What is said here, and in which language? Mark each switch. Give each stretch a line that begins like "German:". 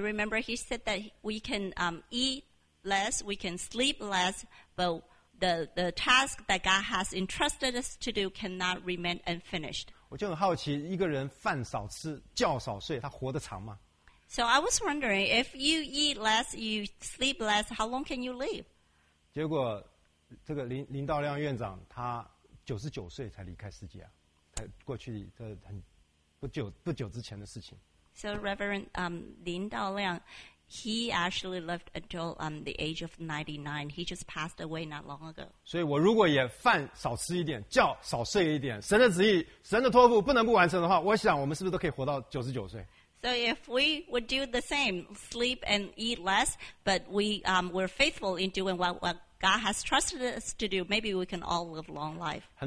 English: remember he said that we can eat less, we can sleep less, but the task that God has entrusted us to do cannot remain unfinished.
Chinese: 我就很好奇，一个人饭少吃，觉少睡，他活得长吗？
English: So I was wondering, if you eat less, you sleep less, how long can you live?
Chinese: 结果这个林道亮院长，他99岁才离开世界啊，他过去的很不久之前的事情。
English: So Reverend Lin Daoliang, he actually lived until the age of 99. He just passed away not long ago.
Chinese: 所以我如果也饭少吃一点，觉少睡一点，神的旨意、神的托付不能不完成的话，我想我们是不是都可以活到99岁？
English: So if we would do the same, sleep and eat less, but we're faithful in doing what God has trusted us to do, maybe we can all live long life.